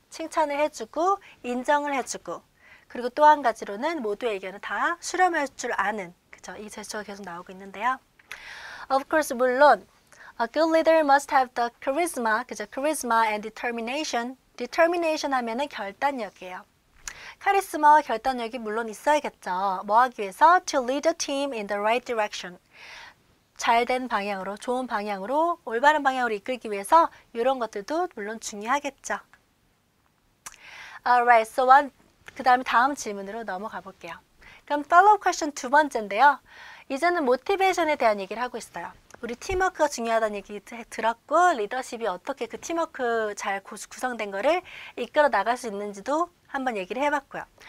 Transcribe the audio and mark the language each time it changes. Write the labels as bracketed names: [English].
[Korean] 칭찬을 해 주고 인정을 해 주고 그리고 또 한 가지로는 모두의 의견을 다 수렴할 줄 아는 그쵸? 이 제스처가 계속 나오고 있는데요. [English] Of course, [Korean] 물론 [English] A good leader must have the charisma, [Korean] 그죠? [English] charisma and determination. determination [Korean] 하면은 결단력이에요. 카리스마와 결단력이 물론 있어야겠죠. 뭐 하기 위해서? [English] To lead a team in the right direction. [Korean] 잘된 방향으로, 좋은 방향으로, 올바른 방향으로 이끌기 위해서 이런 것들도 물론 중요하겠죠. [English] Alright, so one, [Korean] 그 다음에 다음 질문으로 넘어가 볼게요. 그럼 follow-up question 두 번째인데요. 이제는 모티베이션에 대한 얘기를 하고 있어요. 우리 팀워크가 중요하다는 얘기 들었고 리더십이 어떻게 그 팀워크 잘 구성된 거를 이끌어 나갈 수 있는지도 한번 얘기를 해봤고요.